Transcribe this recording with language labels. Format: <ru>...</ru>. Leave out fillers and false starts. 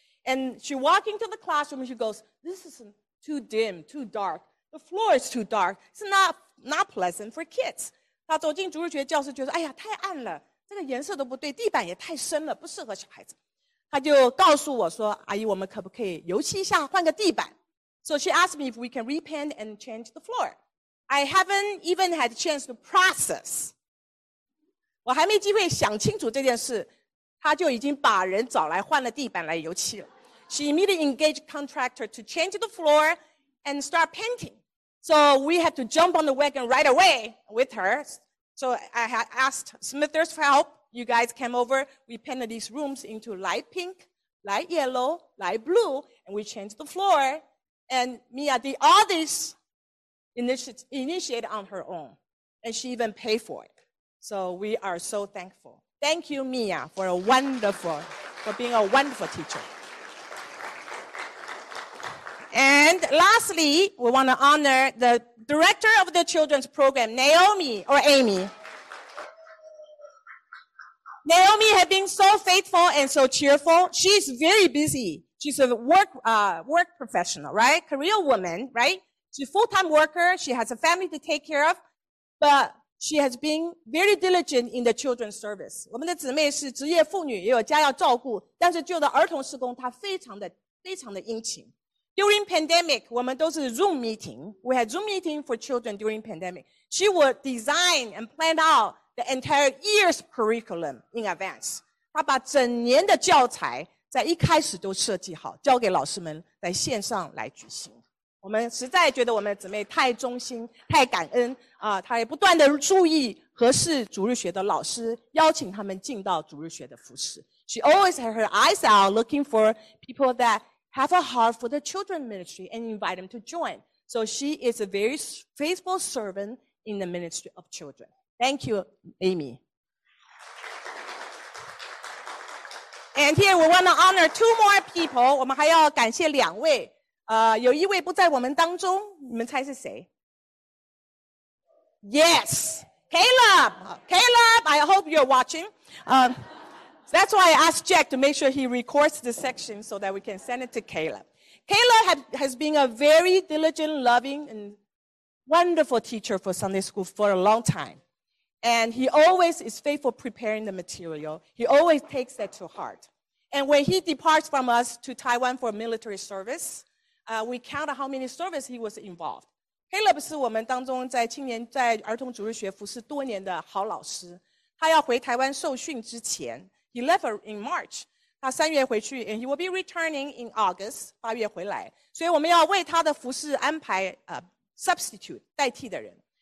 <en>And she walked into the classroom and she goes, "This is too dim, too dark. The floor is too dark. It's not pleasant for kids."</en> <zh>她走进主日学教室就说，哎呀，太暗了，这个颜色都不对，地板也太深了，不适合小孩子。她就告诉我说，阿姨，我们可不可以油漆一下，换个地板？</zh> <en>So she asked me if we can repaint and change the floor. I haven't even had a chance to process.</en> <zh>我还没机会想清楚这件事，他就已经把人找来换了地板来油漆了。</zh> <en>She immediately engaged contractor to change the floor and start painting. So we had to jump on the wagon right away with her. So I had asked Smithers for help. You guys came over. We painted these rooms into light pink, light yellow, light blue, and we changed the floor. And Mia did all this initiated on her own. And she even paid for it. So we are so thankful. Thank you, Mia, for being a wonderful teacher. And lastly, we want to honor the director of the children's program, Naomi, or Amy. Naomi has been so faithful and so cheerful. She's very busy. She's a work professional, right? Career woman, right? She's a full-time worker. She has a family to take care of, but... She has been very diligent in the children's service.</en> <zh>我们的姊妹是职业妇女，也有家要照顾，但是就的儿童事工，她非常的殷勤。</zh> <en>During pandemic,</en> <zh>我们都是</zh> <en>Zoom meeting. We had Zoom meeting for children during pandemic. She would design and plan out the entire year's curriculum in advance.</en> <zh>她把整年的教材在一开始都设计好，交给老师们在线上来举行。我们实在觉得我们的姊妹太忠心太感恩她也不断地注意合适主日学的老师邀请他们进到主日学的服事。</zh> <en>She always had her eyes out looking for people that have a heart for the children ministry and invite them to join. So she is a very faithful servant in the ministry of children. Thank you, Amy. And here we want to honor two more people.</en> <zh>我们还要感谢两位。有一位不在我们当中，你们猜是谁 ？Yes, Caleb.</zh> <en>Caleb, I hope you're watching. That's why I asked Jack to make sure he records the section so that we can send it to Caleb. Caleb has been a very diligent, loving, and wonderful teacher for Sunday school for a long time. And he always is faithful preparing the material. He always takes that to heart. And when he departs from us to Taiwan for military service, we count how many service he was involved.</en> <zh>Caleb 是我们当中在青年在儿童主日学服侍多年的好老师。他要回台湾受训之前 ，</zh> <en>He left in March.</en> <zh>他三月回去</zh> <en>，and he will be returning in August.</en> <zh>八月回来。所以我们要为他的服侍安排substitute 代替的人。</zh>